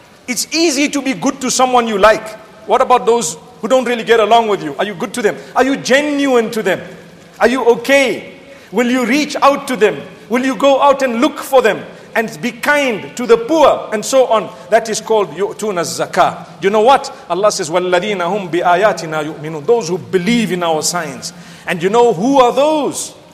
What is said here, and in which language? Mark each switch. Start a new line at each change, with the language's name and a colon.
English: It's easy to be good to someone you like. What about those who don't really get along with you? Are you good to them? Are you genuine to them? Are you okay? Will you reach out to them? Will you go out and look for them and be kind to the poor and so on? That is called
Arabic: yu'tuna zakah.
English: You know what?
Arabic: Allah says, وَالَّذِينَ هُمْ بِآيَاتِنَا يُؤْمِنُونَ.
English: Those who believe in our signs. And you know who are those?